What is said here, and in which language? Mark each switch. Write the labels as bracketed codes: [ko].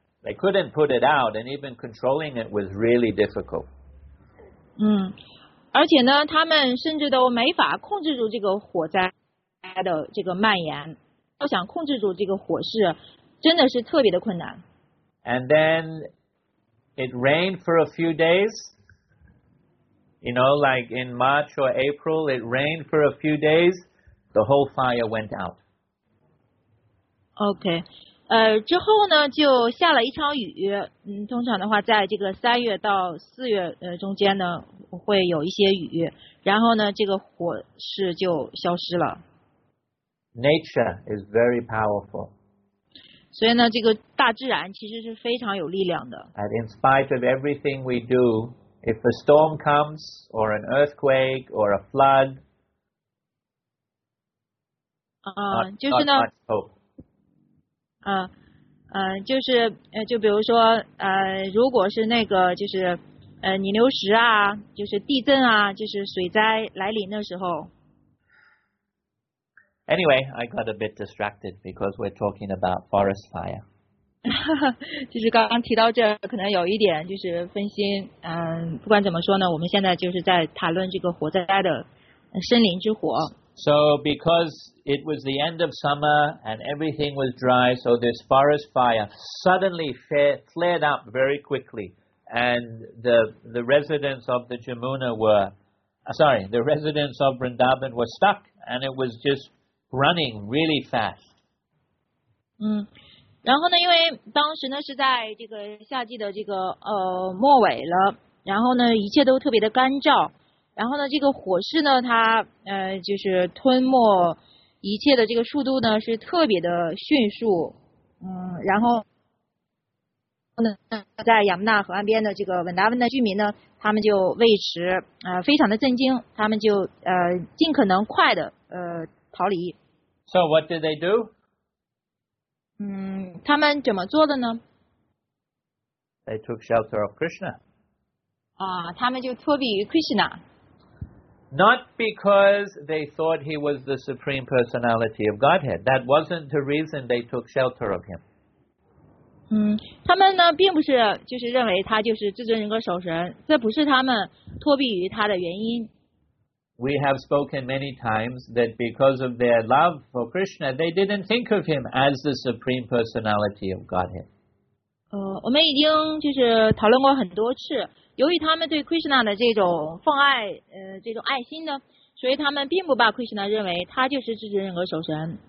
[en] They couldn't put it out, and even controlling it was really difficult. [zh] 而且呢，他们甚至都没法控制住这个火灾的这个蔓延。要想控制住这个火势，真的是特别的困难。 [en] And then it rained for a few days. You know, like in March or April, it rained for a few days. The whole fire went out. [zh] Okay. 之后呢，就下了一场雨。通常的话，在这个3月到4月中间呢，会有一些雨。然后呢，这个火势就消失了。 [en] Nature is very powerful. [zh] 所以呢，这个大自然其实是非常有力量的。 [en] And in spite of everything we do, if a storm comes, or an earthquake, or a flood, [zh] 就是呢，就是就比如说如果是那个就是泥流石啊，就是地震啊，就是水灾来临的时候。 [en] Anyway, I got a bit distracted because we're talking about forest fire. [zh] 就是刚刚提到这，可能有一点就是分心。不管怎么说呢，我们现在就是在谈论这个火灾的森林之火。 [en] So because it was the end of summer and everything was dry, so this forest fire suddenly flared up very quickly, and the residents of the Jamuna were, sorry, the residents of Vrindavan were stuck, and it was just running really fast. [zh] 然后呢，因为当时呢是在这个夏季的这个末尾了，然后呢一切都特别的干燥，然后呢这个火势呢它就是吞没一切的这个速度呢是特别的迅速，然后呢在亚姆纳河岸边的这个文达温的居民呢，他们就为此非常的震惊，他们就尽可能快的逃离。 [en] So what did they do? [zh] 他们怎么做的呢？ [en] They took shelter of Krishna. [zh] 他们就托庇于 Krishna. [en] Not because they thought he was the supreme personality of Godhead. That wasn't the reason they took shelter of him. [zh] 他们呢并不是就是认为他就是至尊人格守神，这不是他们托庇于他的原因。 [en] We have spoken many times that because of their love for Krishna, they didn't think of him as the supreme personality of Godhead. [zh] 我们已经就是讨论过很多次，由于他们对 Krishna 的这种奉爱，这种爱心呢，所以他们并不把 Krishna 认为他就是至尊人格守神。